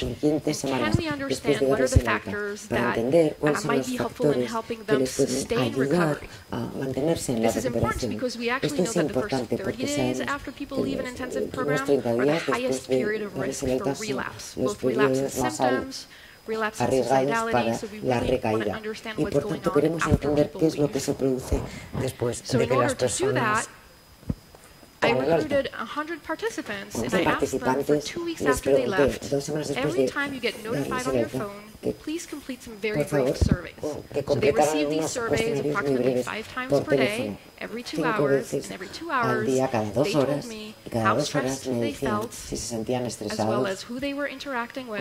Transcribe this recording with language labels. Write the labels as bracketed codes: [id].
[en] Can we understand what are the factors that might be helpful in helping them sustain recovery? This is important because we actually know that the first 30 days after people leave an intensive program are the highest period of risk for relapse, both relapse and symptoms, [es] arriesgados para la recaída. Y por tanto queremos entender qué es lo que se produce después de que las personas. [en] I recruited 100 participants and I asked them for 2 weeks after they left, every time you get notified on your phone, please complete some very brief surveys. So they receive these surveys approximately 5 times per day, every 2 hours, and every 2 hours they told me how stressed they felt, as well as who they were interacting with.